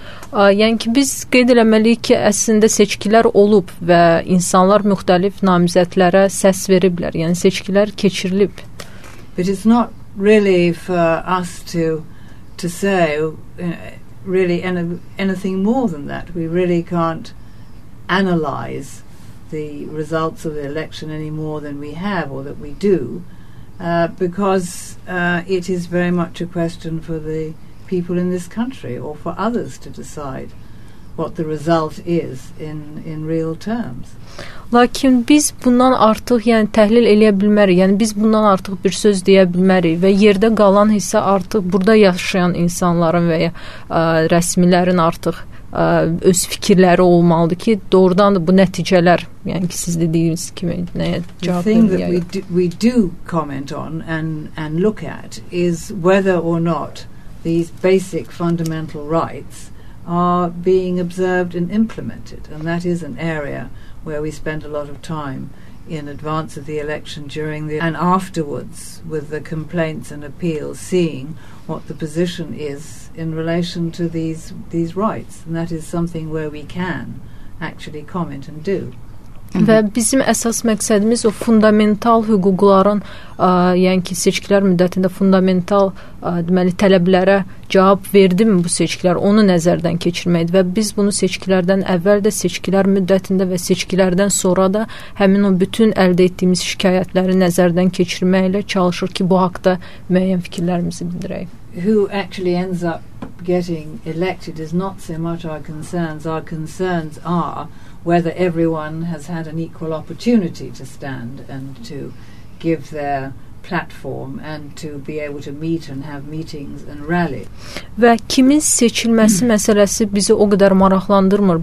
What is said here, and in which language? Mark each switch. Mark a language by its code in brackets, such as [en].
[az] Yəni ki, biz qeyd eləməliyik ki, əslində seçkilər olub və insanlar müxtəlif namizədlərə səs veriblər. Yəni seçkilər keçirilib. [en] But it's not really for us to say really anything more than that. We really can't analyze the results of the election any more than we have or that we do, because it is very much a question for the people in this country or for others to decide what the result is in real terms. [az] Lakin biz bundan artıq, yəni təhlil eləyə bilmərik, yəni biz bundan artıq bir söz deyə bilmərik və yerdə qalan hissə artıq burada yaşayan insanların və ya rəsmilərin artıq öz fikirləri olmalıdır ki, doğrudan da bu nəticələr, yəni ki, siz dediyiniz kimi, nəyə cavab verir? [en] The thing that we do comment on and look at is whether or not these basic fundamental rights are being observed and implemented. And that is an area where we spend a lot of time in advance of the election, during the and afterwards with the complaints and appeals, seeing what the position is in relation to these rights, and that is something where we can actually comment and do. [az] Və bizim əsas məqsədimiz o fundamental hüquqların, yəni ki, seçkilər müddətində fundamental deməli tələblərə cavab verdi mi bu seçkilər, onu nəzərdən keçirməkdir və biz bunu seçkilərdən əvvəl də, seçkilər müddətində və seçkilərdən sonra da həmin o bütün əldə etdiyimiz şikayətləri nəzərdən keçirməklə çalışır ki, bu haqda müəyyən fikirlərimizi bildirək. [en] Who actually ends up getting elected is not so much our concerns. Our concerns are whether everyone has had an equal opportunity to stand and to give their platform and to be able to meet and have meetings and rally. [az] Və kimin seçilməsi məsələsi bizi o qədər maraqlandırmır.